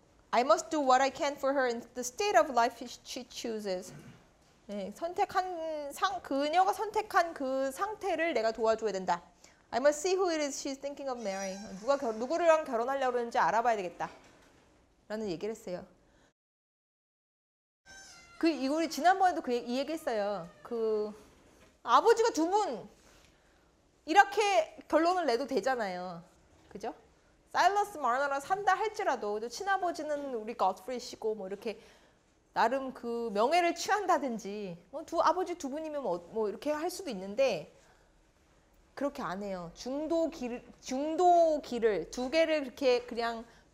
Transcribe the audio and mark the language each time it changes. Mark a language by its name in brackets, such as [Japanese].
[English] I must do what I can for her in the state of life she chooses. [Korean] 네, 그녀가 선택한 그 상태를 내가 도와줘야 된다. [English] I must see who it is she's thinking of marrying. [Korean] 누구랑 결혼하려고 그러는지 알아봐야 되겠다. 라는 얘기를 했어요. 우리 지난번에도 이 얘기 했어요. 아버지가 두 분! 이렇게 결론을 내도 되잖아요. 그죠? 사일러스 마너랑 산다 할지라도 친아버지는 우리 거스프리시고 뭐 이렇게 나름 그 명예를 취한다든지 아버지 두 분이면 뭐 이렇게 할 수도 있는데 그렇게 안 해요. 중도 길을 두 개를 그렇게 그냥